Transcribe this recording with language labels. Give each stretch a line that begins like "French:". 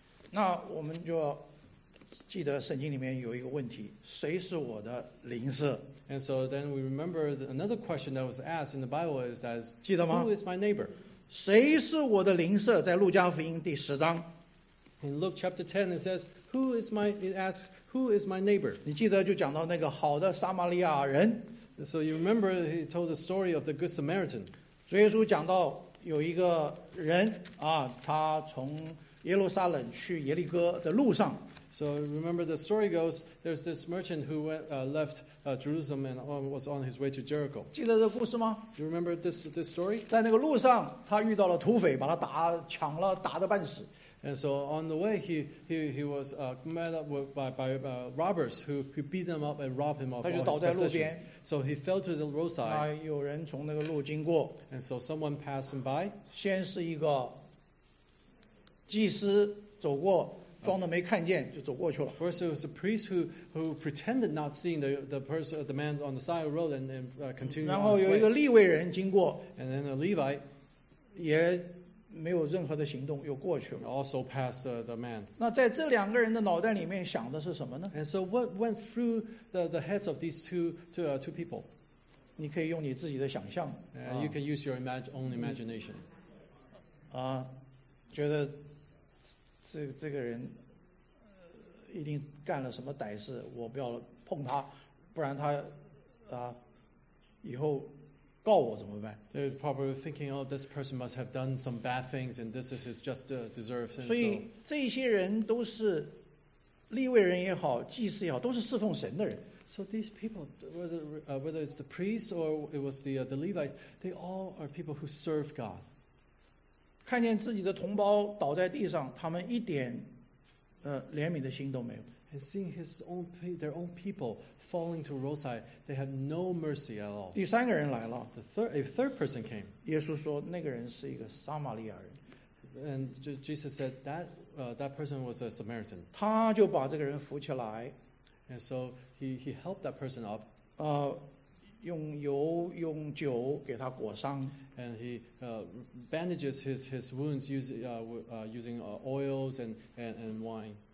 Chinese: 那我们就记得圣经里面有一个问题, 谁是我的邻舍?
English: And so then we remember another question that was asked in the Bible is that,
Chinese: 记得吗?
English: Who is my neighbor?
Chinese: 谁是我的邻舍?在路加福音第十章,
English: in Luke chapter 10, it says, "Who is my?" It asks, "Who is my neighbor?"
Chinese: 你记得就讲到那个好的撒玛利亚人。
English: So you remember he told the story of the good Samaritan.
Chinese: 主耶稣讲到有一个人啊，他从耶路撒冷去耶利哥的路上。
English: So remember the story goes, there's this merchant who went left Jerusalem and was on his way to Jericho.
Chinese: 记得这个故事吗?
English: Do you remember this story?
Chinese: 在那个路上，他遇到了土匪，把他打抢了，打得半死。
English: And so on the way, he was met up with, by robbers who beat him up and robbed him of all his possessions. So he fell to the roadside. And so someone passed him by.
Chinese: 先是一个祭司走过, 装的没看见就走过去了。
English: First, it was a priest who pretended not seeing the person, the man on the side of the road, and then continued.
Chinese: 然后有一个利未人经过
English: ，and then a Levite
Chinese: 也没有任何的行动，又过去了。
English: Also passed the man.
Chinese: 那在这两个人的脑袋里面想的是什么呢
English: ？And so what went through the heads of these two people?
Chinese: 你可以用你自己的想象。
English: You can use your own imagination.
Chinese: 觉得。这个人一定干了什么歹事，我不要碰他，不然他以后告我怎么办
English: ？They're probably thinking, oh, this person must have done some bad things, and this is his just deserves.
Chinese: 所以这些人都是利未人也好，祭司也好，都是侍奉神的人。
English: So these people, whether it's the priest or it was the Levite, they all are people who serve God.
Chinese: 看见自己的同胞倒在地上，他们一点，怜悯的心都没有。
English: And seeing his own their own people falling to roadside, they had no mercy at all.
Chinese: 第三个人来了。
English: A third person came.
Chinese: 耶稣说，那个人是一个撒玛利亚人。
English: And Jesus said that that person was a Samaritan.
Chinese: 他就把这个人扶起来。
English: And so he helped that person up.
Chinese: 用油用酒给他裹伤。
English: And he bandages his wounds using oils and wine.